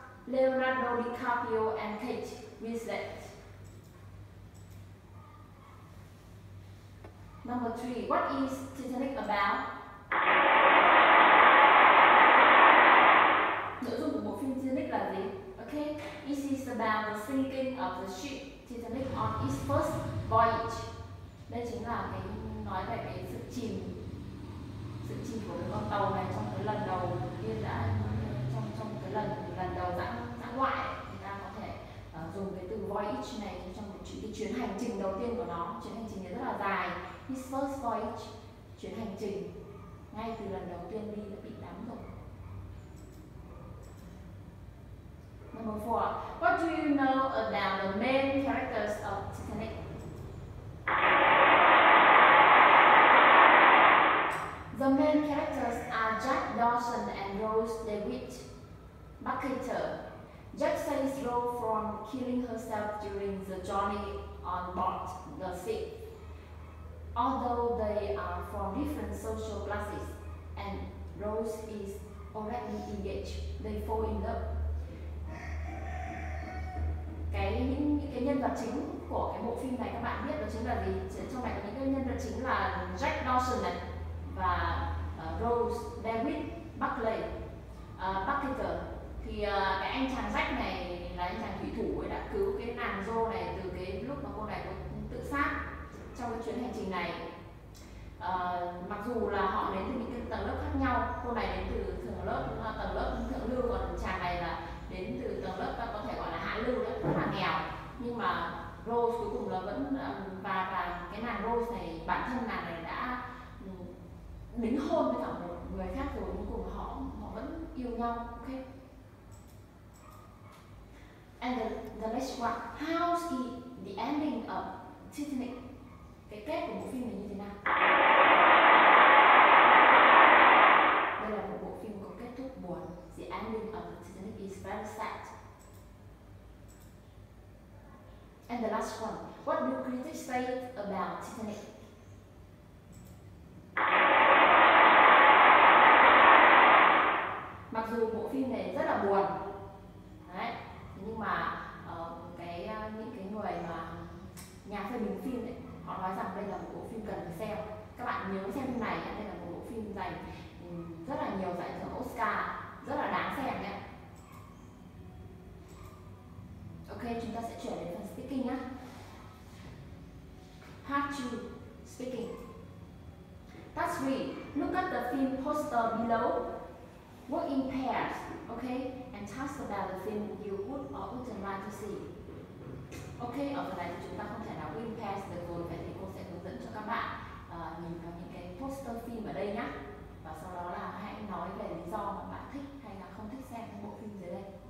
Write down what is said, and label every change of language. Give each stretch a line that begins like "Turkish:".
English: Leonardo DiCaprio and Kate Winslet. Number 3. What is Titanic about?
Vietnamese: Nội dung của bộ phim Titanic là gì?
English: Okay, it is about the sinking of the ship Titanic on its first voyage.
Vietnamese: Đây chính là cái nói về cái sự chìm của cái con tàu này trong cái lần đầu tiên đã trong cái lần đầu dã ngoại. Chúng ta có thể dùng cái từ voyage này trong cái chuyến hành trình đầu tiên của nó. Chuyến hành trình này rất là dài.
English: His first voyage,
Vietnamese: chuyến hành trình ngay từ lần đầu tiên đi đã bị đắm rồi.
English: Number 4. What do you know about the main characters of Titanic? The main characters are Jack Dawson and Rose DeWitt Bucketer. Jack saves Rose from killing herself during the journey on board the ship. Although they are from different social classes and Rose is already engaged, they fall in love.
Vietnamese: Cái nhân vật chính của cái bộ phim này các bạn biết đó chính là gì? Trong này có những cái nhân vật chính là Jack Dawson này và Rose DeWitt Buckley Buckleter. Thì cái anh chàng Jack này là anh chàng thủy thủ ấy, đã cứu cái nàng Jo này từ cái lúc mà cô này có tự sát trong cái chuyến hành trình này. Mặc dù là họ đến từ những cái tầng lớp khác nhau, cô này đến từ tầng lớp thượng lưu, còn chàng này là đến từ tầng lớp có thể gọi là hạ lưu, rất là nghèo. Nhưng mà Rose cuối cùng là vẫn và cái nàng Rose này, bản thân nàng này đã đính hôn với cả một người khác rồi, cuối cùng họ vẫn yêu nhau.
English: Okay. And the next one, how is the ending of Titanic?
Vietnamese: Cái kết của bộ phim này như thế nào? Đây là một bộ phim có kết thúc buồn.
English: The ending of Titanic is very sad. And the last one, what do critics say about Titanic?
Vietnamese: Mặc dù bộ phim này rất là buồn, đấy, nhưng mà những cái người mà nhà phê bình phim ấy, họ nói rằng đây là một bộ phim cần phải xem. Các bạn nhớ xem phim này, đây là một bộ phim giành rất là nhiều giải thưởng Oscar, rất là đáng xem nhé. Ok, chúng ta sẽ chuyển đến phần speaking nhé.
English: Part 2, speaking. Part 3, look at the film poster below. Work in pairs, ok? And talk about the film you would or wouldn't like to see.
Vietnamese: Ok, ở phần này thì chúng ta không thể nào
English: work in pairs
Vietnamese: được rồi. Vậy thì cô sẽ hướng dẫn cho các bạn nhìn vào những cái poster phim ở đây nhé. Và sau đó là hãy nói về lý do mà bạn thích hay là không thích xem bộ phim dưới đây.